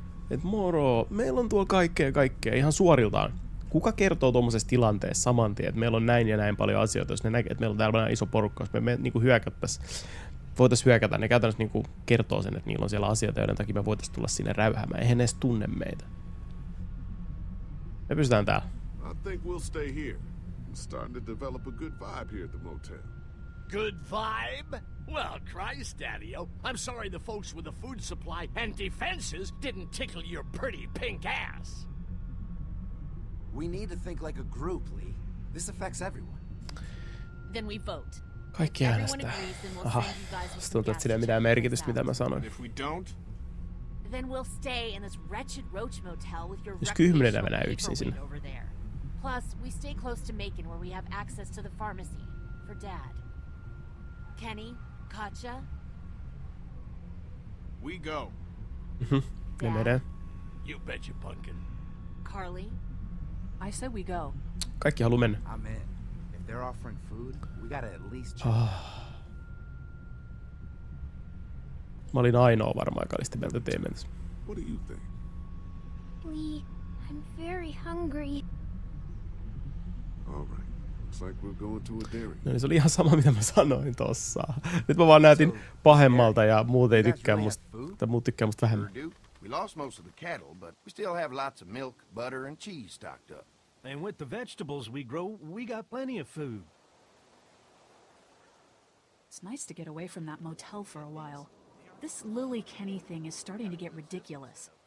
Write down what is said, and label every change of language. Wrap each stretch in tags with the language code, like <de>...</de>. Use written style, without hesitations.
<fi>Et moro, meillä on tuolla kaikkea ihan suoriltaan. Kuka kertoo tuommoisessa tilanteessa saman tien, että meillä on näin ja näin paljon asioita, jos ne näkee, että meillä on täällä vähän iso porukka, jos me niin kuin voitaisiin hyökätä, ne käytännössä niin kuin kertoo sen, että niillä on siellä asioita, joiden takia me voitaisiin tulla sinne räyhämään. Eihän ne edes tunne meitä. Me pysytään täällä.</fi> <en>I think we'll stay here. I'm starting to develop a good vibe here at the motel. Good vibe? Well, Christ, Daddy-o. I'm sorry the folks with the food supply and defenses didn't tickle your pretty pink ass. We need to think like a group, Lee. This affects everyone. Then we vote.</en> <fi>Kaikki äänestää. Aha. Sitten on tätä silleen mitään merkitystä, mitä mä sanoin.</fi> <en>If we don't, then we'll stay in this wretched roach motel with your recreational over there. Plus, we stay close to Macon where we have access to the pharmacy for Dad. Kenny, Katja? We go. Dad? You betcha, pumpkin. Carly? I said we go.</en> <fi>Kaikki haluu mennä.</fi> <en>I'm in. If they're offering food, we gotta at least...</en> <fi>Mä olin ainoa varmaan, joka oli sitä mieltä teemmentä.</fi> <en>What do you think? Lee, I'm very hungry. Alright, looks like we're going to a dairy.</en> <fi>No niin, se oli ihan sama, mitä mä sanoin tossa. Nyt mä vaan näytin pahemmalta ja muut ei tykkää musta, tai muut tykkää musta vähemmän.</fi> <en>We lost most of the cattle, but we still have lots of milk, butter and cheese stocked up. And with the vegetables we grow, we got plenty of food. It's nice to get away from that motel for a while. This Lily Kenny thing is starting to get ridiculous.</en>